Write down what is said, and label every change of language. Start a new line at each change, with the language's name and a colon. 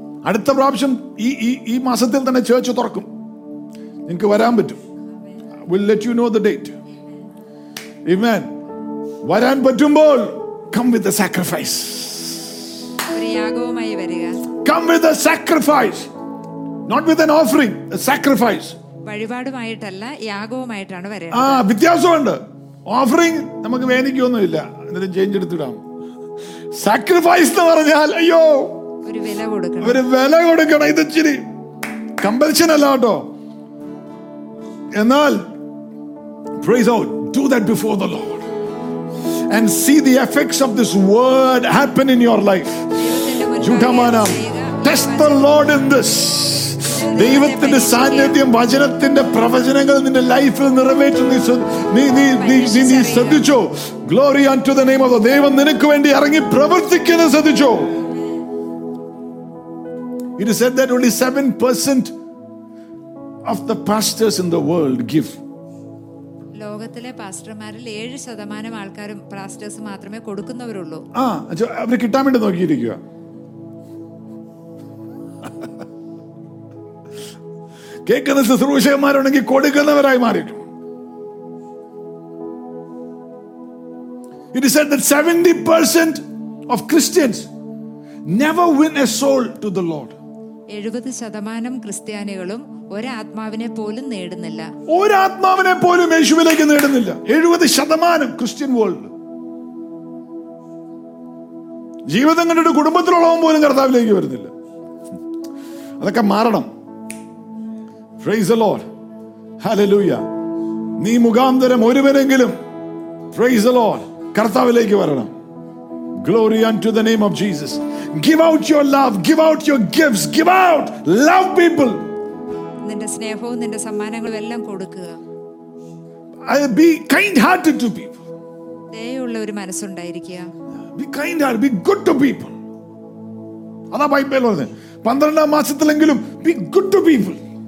Malayalam: അടുത്ത പ്രാവശ്യം ഈ ഈ ഈ മാസത്തിൽ തന്നെ ചേർച്ച് തുറക്കും, നിങ്ങൾക്ക് വരാൻ പറ്റും.
English: Will let you know the date.
Malayalam: ആമേൻ. വരാൻ പറ്റുമ്പോൾ
English: come with the sacrifice. Come with a sacrifice, not with an offering, a sacrifice.
Malayalam: വഴിപാടുമായിട്ടല്ല യാഗവുമായിട്ടാണ് വരുന്നത്. ആ വ്യത്യാസമുണ്ട്. ഓഫറിംഗ് നമുക്ക് വേദനിക്കൊന്നുമില്ല, എന്നിട്ട് ചേഞ്ച് എടുത്തിടാം. സാക്രിഫൈസ് എന്ന് പറഞ്ഞാൽ അയ്യോ ഒരു വില കൊടുക്കണം. ഇത് ഇച്ചിരി കമ്പൽഷൻ അല്ല കേട്ടോ.
English: എന്നാൽ praise out, do that before the Lord and see the effects of this word happen in your life. Test the Lord in this.
Malayalam: ദൈവത്തിന്റെ സാന്നിധ്യം, വചനത്തിന്റെ പ്രവചനങ്ങൾ നിന്റെ ലൈഫിൽ നിറവേറ്റും. നീ ശ്രദ്ധിച്ചോ?
English: glory unto the name of the
Malayalam: ദൈവം നിനക്ക് വേണ്ടി ഇറങ്ങി പ്രവർത്തിക്കുന്നത് ശ്രദ്ധിച്ചോ?
English: It is said that only 7% of the pastors in the world give.
Malayalam: ലോകത്തിലെ പാസ്റ്റർമാരിൽ 7% ആൾക്കാരും പാസ്റ്റേഴ്സ് മാത്രമേ കൊടുക്കുന്നവരുള്ളൂ. ആ അവർ കിട്ടാൻ വേണ്ടി നോക്കിയിരിക്കുക. കേൾക്കുന്ന ശുശ്രൂഷകന്മാരുണ്ടെങ്കിൽ കൊടുക്കുന്നവരായി മാറിയിട്ടു.
English: It is said that 70% of Christians never win a soul to the Lord.
Malayalam: 70% ക്രിസ്ത്യാനികളും ഒരാത്മാവിനെ പോലും നേടുന്നില്ല. ഒരാത്മാവിനെ പോലും യേശുവിലേക്ക് നേടുന്നില്ല. 70% ക്രിസ്ത്യൻ വേൾഡ് ജീവിതങ്ങളുടെ കുടുംബത്തിലുള്ളവൻ പോലും കർത്താവിലേക്ക് വരുന്നില്ല. അതൊക്കെ മാറണം.
English: Praise the Lord. Hallelujah.
Malayalam: നീ മുഖാന്തരം ഒരുവരെങ്കിലും
English: praise the Lord
Malayalam: കർത്താവിലേക്ക് വരണം.
English: Glory unto the name of Jesus. Give out your love, give out your gifts, give out, love people.
Malayalam: നിന്റെ സ്നേഹവും നിന്റെ സമ്മാനങ്ങളും എല്ലാം കൊടുക്കുക.
English: Be kind hearted to people.
Malayalam: ദയയുള്ള ഒരു മനസ്സുണ്ടായിരിക്കുക.
English: Be kind hearted, be good to people.
Malayalam: അതാ ബൈബിൾ പറയുന്നത്. 12 മാസത്തിലെങ്കിലും
English: be good to people.